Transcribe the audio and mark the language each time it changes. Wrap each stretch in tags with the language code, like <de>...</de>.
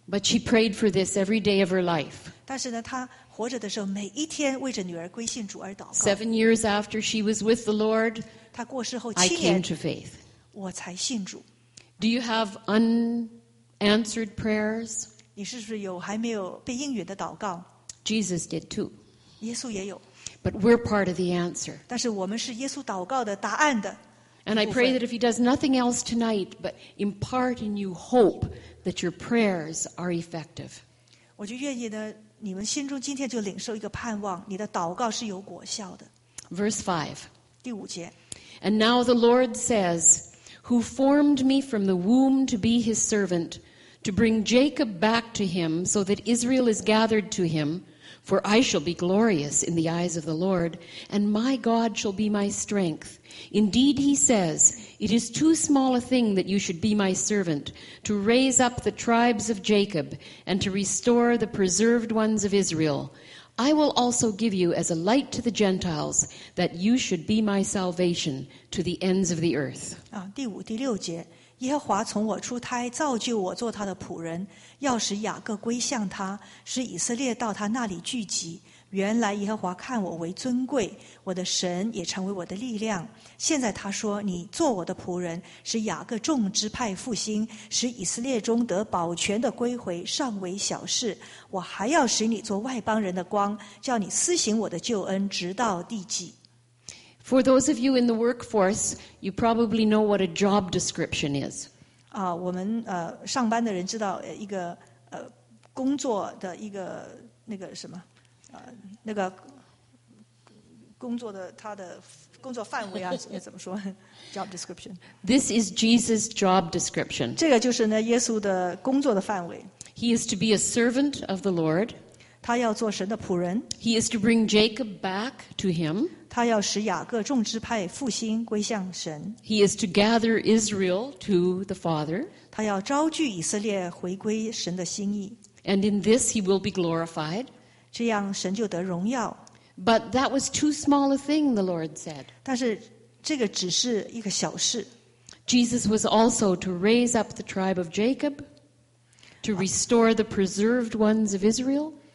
<en>But she prayed for this every day of her life.</en> <zh>但是呢她活着的时候每一天为着女儿归信主而祷告。</zh> <en>7 years after she was with the Lord,</en> <zh>她过世后七年</zh> <en>I came to faith.</en> <zh>我才信主。</zh> <en>Do you have unanswered prayers?</en> <zh>你是不是有还没有被应允的祷告?</zh> <en>Jesus did too.</en> <zh>耶稣也有。</zh> <en>But we're part of the answer.</en> <zh>但是我们是耶稣祷告的答案的。</zh> <en>And I pray that if he does nothing else tonight but impart in you hope that your prayers are effective.</en> <zh>我就愿意呢，你们心中今天就领受一个盼望，你的祷告是有果效的。</zh> <en>Verse 5.</en> <zh>第五节。</zh> <en>And now the Lord says, who formed me from the womb to be his servant, to bring Jacob back to him so that Israel is gathered to him, For I shall be glorious in the eyes of the Lord, and my God shall be my strength. Indeed, he says, it is too small a thing that you should be my servant, to raise up the tribes of Jacob, and to restore the preserved ones of Israel. I will also give you as a light to the Gentiles, that you should be my salvation to the ends of the earth.</en> <zh>第五、第六节。耶和华从我出胎造就我做他的仆人要使雅各归向他使以色列到他那里聚集原来耶和华看我为尊贵我的神也成为我的力量现在他说你做我的仆人使雅各众支派复兴使以色列中得保全的归回尚为小事我还要使你做外邦人的光叫你施行我的救恩直到地极</zh> <en>For those of you in the workforce, you probably know what a job description is.</en> <zh>我们上班的人知道一个工作的一个那个什么那个工作的他的工作范围啊，怎么说 ？</zh> <en>Job description. This is Jesus' job description.</en> <zh>这个就是呢耶稣的工作的范围。</zh> <en>He is to be a servant of the Lord.</en> <zh>他要做神的仆人。</zh> <en>He is to bring Jacob back to him.</en> <zh>他要使雅各众支派复兴归向神。</zh> <en>He is to gather Israel to the Father.</en> <zh>他要召聚以色列回归神的心意。</zh> <en>And in this he will be glorified.</en> <zh>这样神就得荣耀。</zh> <en>But that was too small a thing, the Lord said.</en> <zh>但是这个只是一个小事。</zh> <en>Jesus was also to raise up the tribe of Jacob, to restore the preserved ones of Israel.</en>